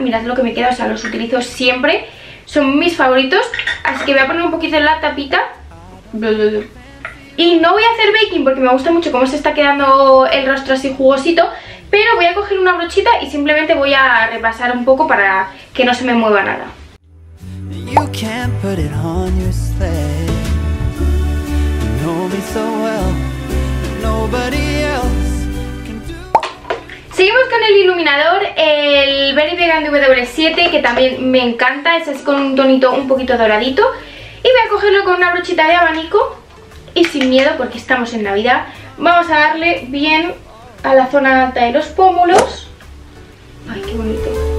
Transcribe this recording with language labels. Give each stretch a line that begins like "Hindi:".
Spanish: Mirad lo que me queda, o sea, los utilizo siempre. Son mis favoritos. Así que voy a poner un poquito en la tapita. Y no voy a hacer baking porque me gusta mucho cómo se está quedando el rostro así jugosito. Pero voy a coger una brochita y simplemente voy a repasar un poco para que no se me mueva nada.
English: You can't put it on your sleigh. You know me so well, nobody else can do.
Spanish: Seguimos con el iluminador, el Very Vegan W7, que también me encanta. Ese es con un tonito un poquito doradito. Y voy a cogerlo con una brochita de abanico. Y sin miedo, porque estamos en Navidad, vamos a darle bien a la zona alta de los pómulos. Ay, qué bonito.